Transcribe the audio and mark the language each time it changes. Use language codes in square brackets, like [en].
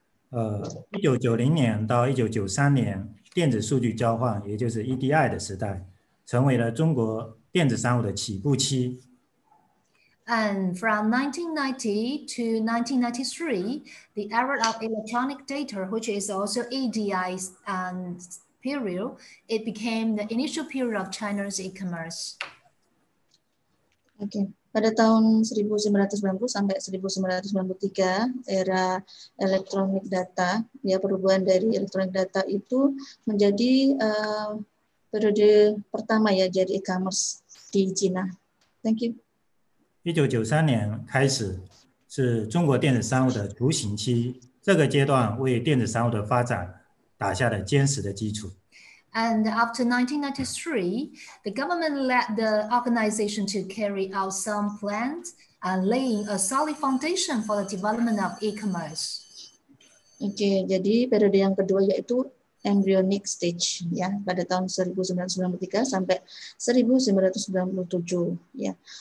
[zh] 1990年到1993年，电子数据交换，也就是 EDI 的时代，成为了中国电子商务的起步期。 [en] And from 1990 to 1993, the era of electronic data, which is also EDI period, it became the initial period of China's e-commerce. Okay. [id] Pada tahun 1990 sampai 1993, era elektronik data, ya perubahan dari elektronik data itu menjadi periode pertama ya jadi e-commerce di China. [en] Thank you. [zh] 1993年开始是中国电子商务的雏形期，这个阶段为电子商务的发展打下了坚实的基础。 [en] And after 1993, the government led the organization to carry out some plans and laying a solid foundation for the development of e-commerce. [id] Okay, jadi periode yang kedua yaitu embryonic stage ya pada tahun 1993 sampai 1997 ya.